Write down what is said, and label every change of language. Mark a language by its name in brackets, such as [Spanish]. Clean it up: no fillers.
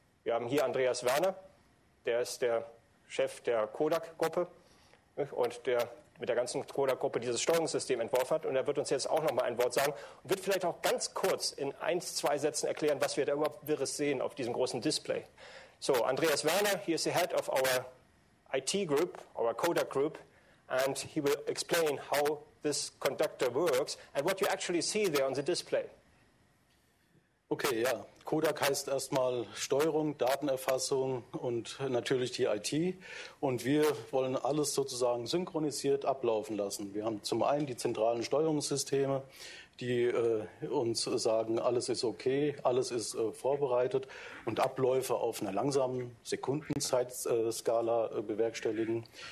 [German] Wir haben hier Andreas Werner, der ist der Chef der Kodak-Gruppe und der mit der ganzen Kodak-Gruppe dieses Steuerungssystem entworfen hat. Und er wird uns jetzt auch noch mal ein Wort sagen und wird vielleicht auch ganz kurz in 1-2 Sätzen erklären, was wir da überhaupt Wirres sehen auf diesem großen Display. [English] So, Andreas Werner, he is the head of our IT group, our Kodak group, and he will explain how this conductor works and what you actually see there on the display. [German] Okay, ja. Kodak heißt erstmal Steuerung, Datenerfassung und natürlich die IT. Und wir wollen alles sozusagen synchronisiert ablaufen lassen. Wir haben zum einen die zentralen Steuerungssysteme, die uns sagen, alles ist okay, alles ist vorbereitet und Abläufe auf einer langsamen Sekundenzeitskala bewerkstelligen.